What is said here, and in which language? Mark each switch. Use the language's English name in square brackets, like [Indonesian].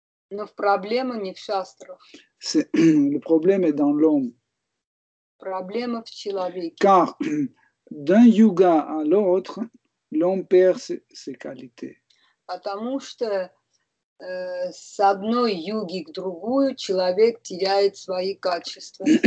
[Russian] Но проблема не в шастрах. [French] Le problème est dans l'homme. [Russian] Проблема в человеке. [French] Car d'un yuga à l'autre, l'homme perd ses qualités. [Russian] Потому что с одной юги к другую человек теряет свои качества.